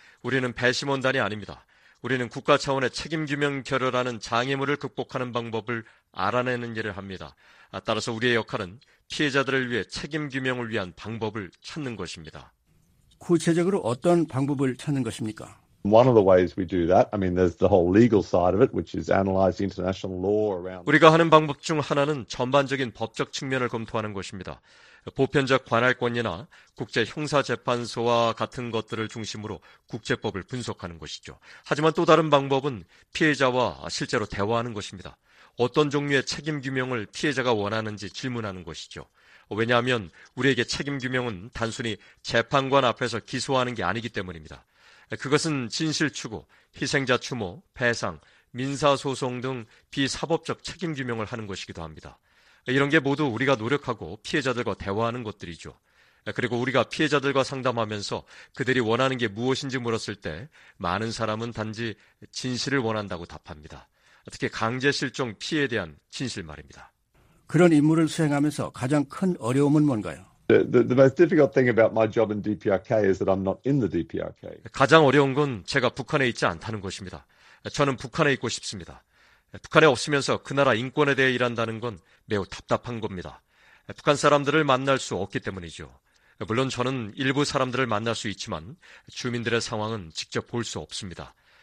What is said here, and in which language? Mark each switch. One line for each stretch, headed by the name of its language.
Korean: 우리는 배심원단이 아닙니다. 우리는 국가 차원의 책임 규명 결여라는 장애물을 극복하는 방법을 알아내는 일을 합니다. 따라서 우리의 역할은 피해자들을 위해 책임 규명을 위한 방법을 찾는 것입니다. 구체적으로 어떤 방법을 찾는 것입니까?
English: One of the ways we do that, I mean, there's the whole legal side of it, which is analyzing international law around.
Korean: 우리가 하는 방법 중 하나는 전반적인 법적 측면을 검토하는 것입니다. 보편적 관할권이나 국제 형사 재판소와 같은 것들을 중심으로 국제법을 분석하는 것이죠. 하지만 또 다른 방법은 피해자와 실제로 대화하는 것입니다. 어떤 종류의 책임 규명을 피해자가 원하는지 질문하는 것이죠. 왜냐하면 우리에게 책임 규명은 단순히 재판관 앞에서 기소하는 게 아니기 때문입니다. 그것은 진실 추구, 희생자 추모, 배상, 민사소송 등 비사법적 책임 규명을 하는 것이기도 합니다. 이런 게 모두 우리가 노력하고 피해자들과 대화하는 것들이죠. 그리고 우리가 피해자들과 상담하면서 그들이 원하는 게 무엇인지 물었을 때 많은 사람은 단지 진실을 원한다고 답합니다. 특히 강제실종 피해에 대한 진실 말입니다. 그런 임무를 수행하면서 가장 큰 어려움은 뭔가요?
English: The most difficult thing about my job in DPRK is that I'm not in the DPRK.
Korean: 가장 어려운 건 제가 북한에 있지 않다는 것입니다. 저는 북한에 있고 싶습니다. 북한에 없으면서 그 나라 인권에 대해 일한다는 건 매우 답답한 겁니다. 북한 사람들을 만날 수 없기 때문이죠. 물론 저는 일부 사람들을 만날 수 있지만 주민들의 상황은 직접 볼 수 없습니다.